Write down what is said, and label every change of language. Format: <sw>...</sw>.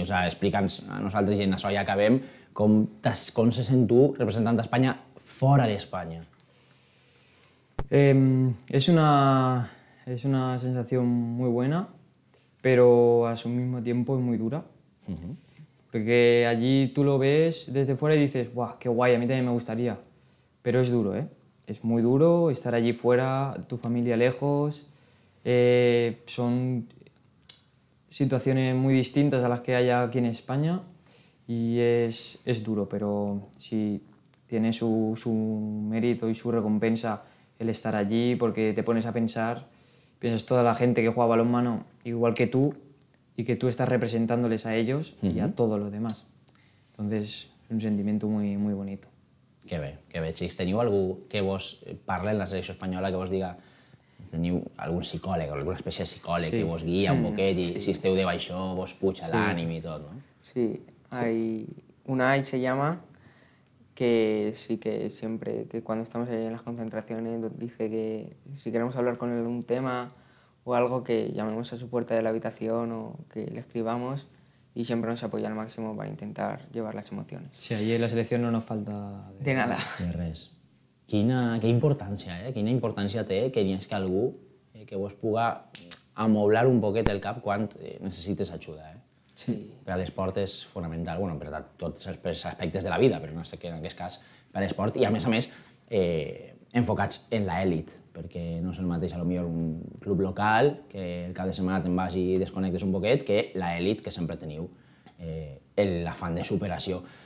<es>O sea,</es> <ca>explica'ns a nosaltres, i en això ja acabem, com se sent tu representant d'Espanya fora d'Espanya? És una sensació molt bona, però al mateix temps és molt dura. Uh-huh.</ca> <es>Porque allí tú lo ves desde fuera y dices, ¡guau, qué guay, a mí también me gustaría! Pero es duro, ¿eh? Es muy duro estar allí fuera, tu familia lejos. Son situaciones muy distintas a las que hay aquí en España. Y es duro, pero sí, tiene su mérito y su recompensa el estar allí, porque te pones a pensar, piensas toda la gente que juega balonmano igual que tú, y que tú estás representándoles a ellos y a todos los demás. Entonces, es un sentimiento muy, muy bonito.</es> <ca>Qué bé, qué bé. Xics, teniu algú que vos parle en la selecció espanyola que vos diga, teniu algun psicòleg o alguna espècie de psicòleg que vos guia un boquet i si esteu de baixó vos puja l'ànim i tot, no?</ca> <es>Sí, hay un AI se llama, que sí que siempre, que cuando estamos ahí en las concentraciones, dice que si queremos hablar con él de un tema o algo, que llamemos a su puerta de la habitación o que le escribamos, y siempre nos apoya al máximo para intentar llevar las emociones. Sí, allí en la selección no nos falta de nada.</es> <ca>De res. Quina importància té que n'hi hagi algú que vos puga amoblar un poquet el cap quan necessites ajuda, eh? Sí. Per a l'esport és fonamental, bueno, per a tots els aspectes de la vida, però no sé què en aquest cas per a l'esport, i a més, enfocats en l'elit, perquè no és el mateix, a lo millor, un club local, que el cap de setmana te'n vas i desconnectes un poquet, que l'elit, que sempre teniu l'afant de superació.</ca>